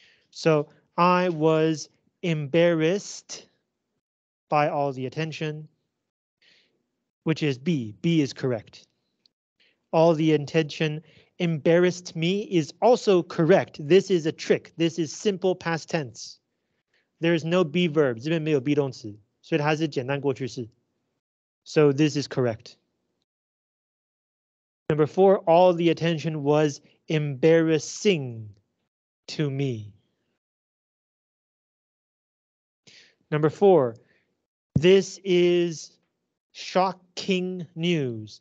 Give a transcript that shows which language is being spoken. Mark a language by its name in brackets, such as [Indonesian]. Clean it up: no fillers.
[English] So I was embarrassed by all the attention, which is B. B is correct. All the attention embarrassed me is also correct. This is a trick. This is simple past tense. There is no be verb. [Chinese] 这边没有be动词, 所以它是简单过去式. [English] So this is correct. Number four, all the attention was embarrassing to me. Number four, this is shocking news.